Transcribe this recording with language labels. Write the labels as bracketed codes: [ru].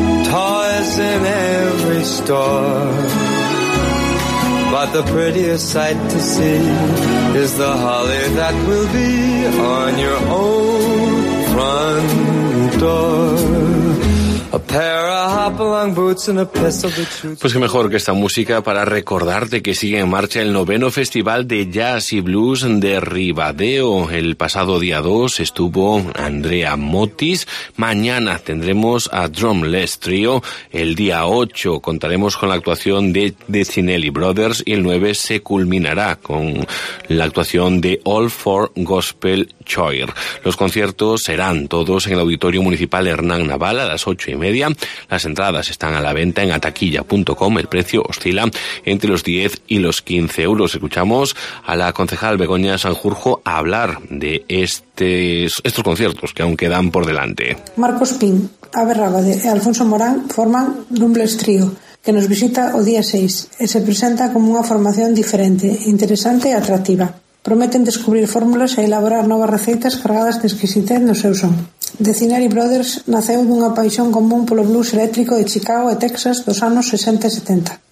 [en] Toys in every store, but the prettiest sight to see is the holly that will be on your own front door. A pair of hop-along boots and a pistol to shoot. [es] Pues qué mejor que esta música para recordarte que sigue en marcha el noveno Festival de Jazz y Blues de Ribadeo. El pasado día 2 estuvo Andrea Motis. Mañana tendremos a Drumless Trio. El día 8 contaremos con la actuación de Cinelli Brothers. Y el 9 se culminará con la actuación de All for Gospel Choir. Los conciertos serán todos en el Auditorio Municipal Hernán Naval a las 8:30. Las entradas están a la venta en ataquilla.com. El precio oscila entre los 10 y los 15 euros. Escuchamos a la concejal Begoña Sanjurjo hablar de estos conciertos que aún quedan por delante. [gl] Marcos Pin, Abe Rábade e Alfonso Morán forman Drumless Trio, que nos visita o día 6 e se presenta como unha formación diferente, interesante e atractiva. Prometen descubrir fórmulas e elaborar novas receitas cargadas de exquisitez no seu son. The Cinelli Brothers naceu dunha paixón común polo blues eléctrico de Chicago e Texas dos anos 60 e 70.